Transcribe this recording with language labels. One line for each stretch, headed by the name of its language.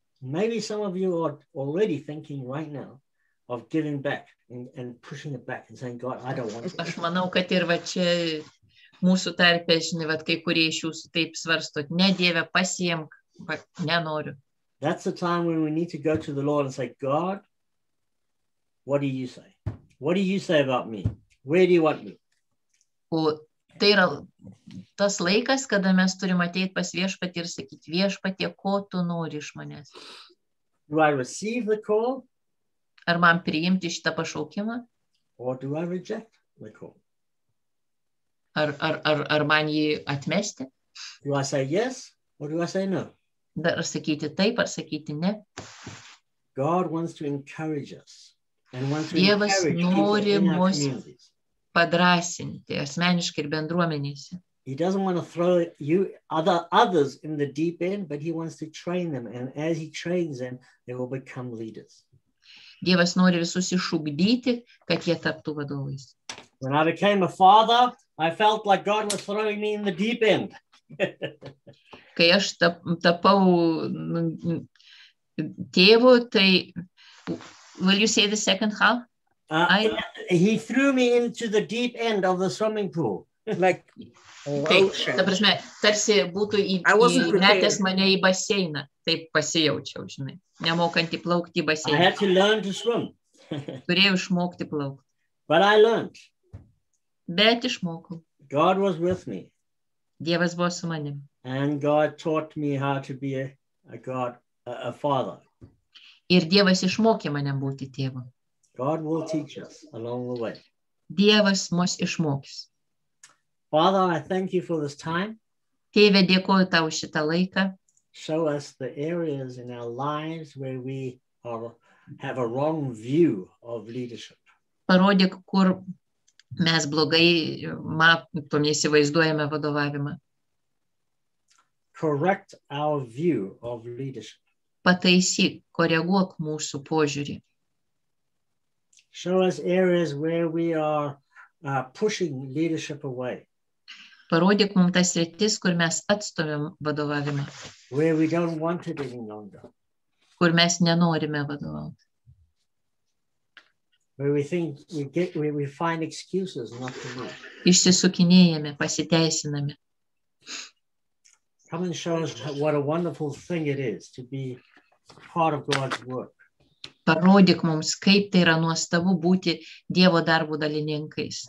English: Maybe some of you are already thinking right now of giving back and pushing it back and saying, God, I don't want it.
Lithuanian: Aš manau, kad ir va čia mūsų tarpė, žinai, vat kai kurie iš jūsų taip svarstot, ne Dieve, pasiemk, nenoriu.
English: That's the time when we need to go to the Lord and say, God, what do you say? What do you say about me? Where do you want me?
Lithuanian: O tai yra tas laikas, kada mes turim ateit pas viešpatį ir sakyti, viešpatie, ko tu nori iš manęs?
English: Do I receive the call?
Lithuanian: Ar man priimti šitą pašaukimą?
English: Or do I reject the call?
Lithuanian: Ar man jį atmesti?
English: Do I say yes or do I say no?
Lithuanian: Dar sakyti taip ar sakyti ne?
English: God wants to encourage us and wants to
Lithuanian: Dievas nori mus padrasinti asmeniškai ir bendruomenėse.
English: He doesn't want to throw you others in the deep end, but he wants to train them, and as he trains them, they will become leaders.
Lithuanian: Dievas nori visus išugdyti, kad jie taptų vadovais.
English: When I became a father, I felt like God was throwing me in the deep end.
Lithuanian: Kai aš tapau tėvu, tai
English: will you say the second half? He threw me into the deep end of the swimming pool. Like,
Lithuanian: ta prasme, tarsi būtų įmetęs mane į baseiną. Taip pasijaučiau, žinai. Nemokantį plaukti į baseiną.
English: I had to learn to swim.
Lithuanian: Turėjau išmokti plaukti.
English: But I learned.
Lithuanian: Bet išmokau.
English: God was with me.
Lithuanian: Dievas buvo su manim.
English: And God taught me how to be a father.
Lithuanian: Ir Dievas išmokė mane būti tėvu.
English: God will teach us along the way.
Lithuanian: Dievas mus išmokys.
English: Father, I thank you for this time.
Lithuanian: Tėve, dėkoju tau šitą laiką.
English: Show us the areas in our lives where we have a wrong view of leadership.
Lithuanian: Parodyk, kur mes blogai matom, įsivaizduojame vadovavimą.
English: Correct our view of leadership.
Lithuanian: Pataisyk, koreguok mūsų požiūrį.
English: Show us areas where we are pushing leadership away.
Lithuanian: Parodyk mums tas sritis, kur mes atstumėm vadovavimą.
English: Where we don't want it any longer.
Lithuanian: Kur mes nenorime vadovauti.
English: Where we think where we find excuses not to move.
Lithuanian: Išsisukinėjame, pasiteisiname.
English: Come and show us what a wonderful thing it is to be part of God's work.
Lithuanian: Parodyk mums, kaip tai yra nuostabu būti Dievo darbų dalininkais.